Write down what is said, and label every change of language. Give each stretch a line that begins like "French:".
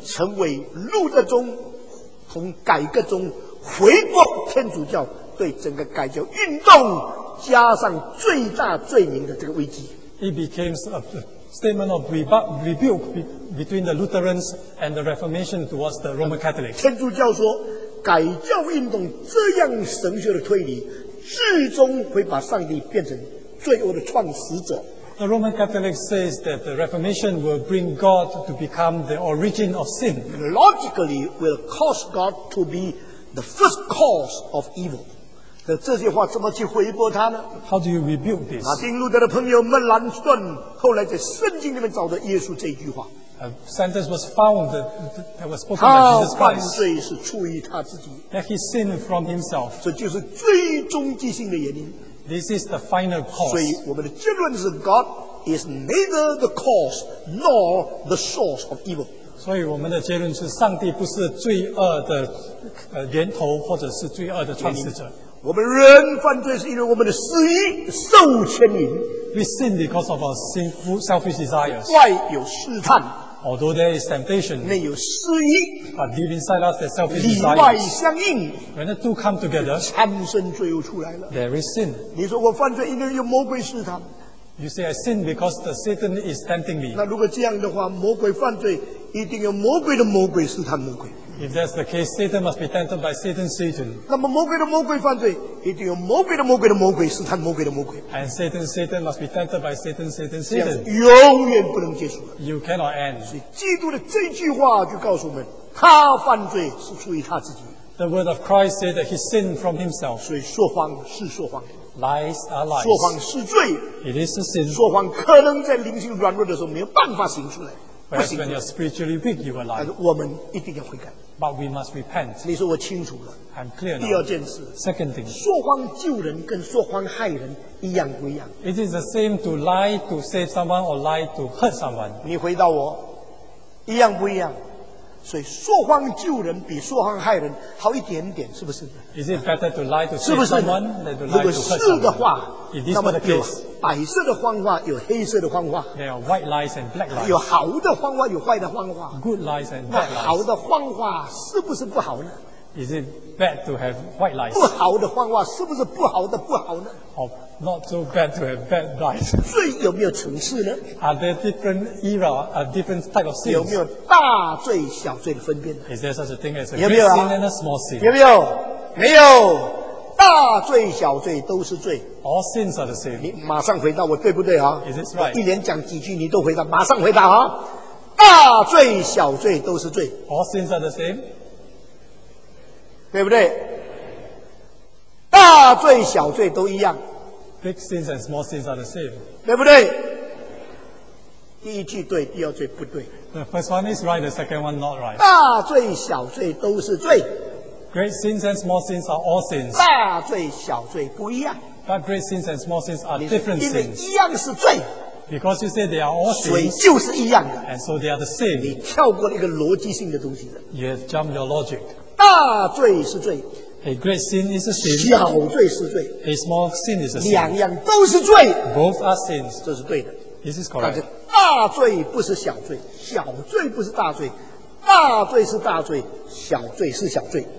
Chinese: 成为路德宗从改革中回过天主教对整个改教运动加上最大罪名的这个危机。
English: It became a statement of rebuke between the Lutherans and the Reformation towards the Roman Catholics.
Chinese: 天主教说，改教运动这样神学的推理最终会把上帝变成罪恶的创始者。
English: The Roman Catholic says that the Reformation will bring God to become the origin of sin. Logically will cause God to be the first cause of evil.
Chinese: 那这些话怎么去回驳他呢？
English: How do you rebuke this?
Chinese: 马丁路德的朋友们兰斯顿后来在圣经里面找到耶稣这句话。
English: A sentence was found that was spoken by Jesus Christ.
Chinese: 他犯罪是出于他自己。
English: That he sinned from himself.
Chinese: 这就是最终极性的原因。
English: This is the final cause.
Chinese: 所以我们的结论是
English: God is neither the cause nor the source of evil.
Chinese: 所以我们的结论是上帝不是罪恶的源头或者是罪恶的创始者。我们人犯罪是因为我们的私欲受牵引。
English: We sin because of our sinful, selfish desires.
Chinese: 外有试探。
English: Although there is temptation.
Chinese: 内有私欲。
English: But deep inside us, there's selfish desires.
Chinese: 里外相应。
English: When the two come together,
Chinese: 产生罪又出来了。
English: There is sin.
Chinese: 你说我犯罪因为有魔鬼试探。
English: You say I sin because the Satan is tempting me.
Chinese: 那如果这样的话，魔鬼犯罪一定有魔鬼的魔鬼试探魔鬼。
English: If that's the case, Satan must be tempted by Satan.
Chinese: 那么魔鬼的魔鬼犯罪，一定有魔鬼的魔鬼的魔鬼试探魔鬼的魔鬼。
English: And Satan must be tempted by Satan.
Chinese: 永远不能结束。
English: You cannot end.
Chinese: 所以基督的这句话就告诉我们，他犯罪是出于他自己。
English: The word of Christ said that he sinned from himself.
Chinese: 所以说谎是说谎。
English: Lies are lies.
Chinese: 说谎是罪。
English: It is a sin.
Chinese: 说谎可能在灵性软弱的时候没有办法行出来。
English: Whereas when you're spiritually weak, you are lying.
Chinese: 但是我们一定要悔改。
English: But we must repent.
Chinese: 你说我清楚了。
English: I'm clear now.
Chinese: 第二件事。
English: Second thing.
Chinese: 说谎救人跟说谎害人一样不一样。
English: It is the same to lie to save someone or lie to hurt someone.
Chinese: 你回答我，一样不一样？所以说谎救人比说谎害人好一点点，是不是？
English: Is it better to lie to save someone than to lie to hurt someone?
Chinese: 如果是的话，
English: is this not the case?
Chinese: 白色的谎话有黑色的谎话，
English: There are white lies and black lies.
Chinese: 有好的谎话有坏的谎话，
English: Good lies and bad lies.
Chinese: 那好的谎话是不是不好呢？
English: Is it bad to have white lies?
Chinese: 不好的谎话是不是不好的不好呢？
English: Oh, not so bad to have bad lies.
Chinese: 罪有没有层次呢？
English: Are there different era, a different type of sins?
Chinese: 有没有大罪小罪的分辨呢？
English: Is there such a thing as a great sin and a small sin?
Chinese: 有没有？没有。大罪小罪都是罪。
English: All sins are the same.
Chinese: 你马上回答我对不对啊？
English: Is this right?
Chinese: 一连讲几句你都回答，马上回答啊！大罪小罪都是罪。
English: All sins are the same.
Chinese: 对不对？大罪小罪都一样。
English: Big sins and small sins are the same.
Chinese: 对不对？第一句对，第二句不对。
English: The first one is right, the second one not right.
Chinese: 大罪小罪都是罪。
English: Great sins and small sins are all sins.
Chinese: 大罪小罪不一样。
English: But great sins and small sins are different sins.
Chinese: 因为一样是罪。
English: Because you say they are all sins,
Chinese: 水就是一样的。
English: And so they are the same.
Chinese: 你跳过了一个逻辑性的东西的。
English: You have jumped your logic.
Chinese: 大罪是罪
English: ，a great sin is a sin，
Chinese: 小罪是罪
English: ，a small sin is a sin，
Chinese: 两样都是罪
English: ，both are sins，
Chinese: 这是对的
English: ，this is correct。
Chinese: 但是大罪不是小罪，小罪不是大罪，大罪是大罪，小罪是小罪。